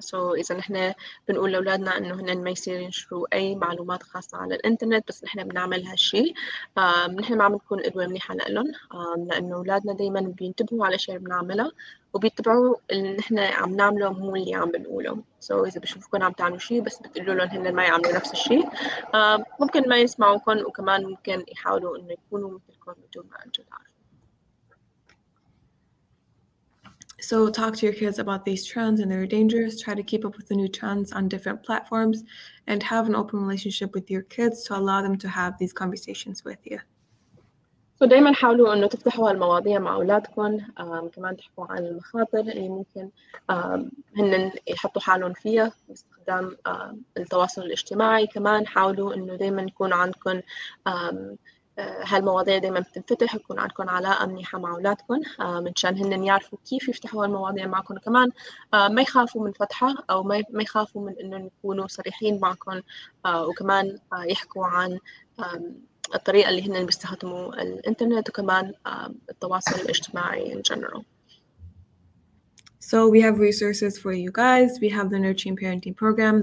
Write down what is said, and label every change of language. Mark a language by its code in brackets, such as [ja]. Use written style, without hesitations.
[ar] سو إذا نحن بنقول لأولادنا إنه هن ما يصير ينشروا أي معلومات خاصة على الإنترنت، بس نحن بنعمل هالشيء، نحن ما عم نكون قدوة منيحة لإلهم، لأنه أولادنا دائما بينتبهوا على الأشياء اللي بنعملها وبيتبعوا اللي نحن عم نعمله مو اللي عم بنقوله. سو إذا بشوفكم عم تعملوا شيء بس بتقولوا لهم هن ما يعملوا نفس الشيء، ممكن ما يسمعوكم، وكمان ممكن يحاولوا إنه يكونوا مثلكم بدون ما أنتم تعرفوا. [en] So talk to your kids about these trends and their dangers. Try to keep up with the new trends on different platforms and have an open relationship with your kids to allow them to have these conversations with you. [ar] So دايما حاولوا انه تفتحوا هالمواضيع مع اولادكم، كمان تحكوا عن المخاطر اللي ممكن هن يحطوا حالهم فيها باستخدام التواصل الاجتماعي. كمان حاولوا انه دايما يكون عندكم هالمواضيع دائما بتنفتح، يكون عندكم علاقة منيحة مع أولادكم منشان هن يعرفوا كيف يفتحوا هالمواضيع معكم. كمان ما يخافوا من فتحها، أو ما يخافوا من إنه يكونوا صريحين معكم، وكمان يحكوا عن الطريقة اللي هن بيستخدموا الإنترنت وكمان التواصل الاجتماعي [en] in general. So we have resources for you guys. We have the Nurturing Parenting Program.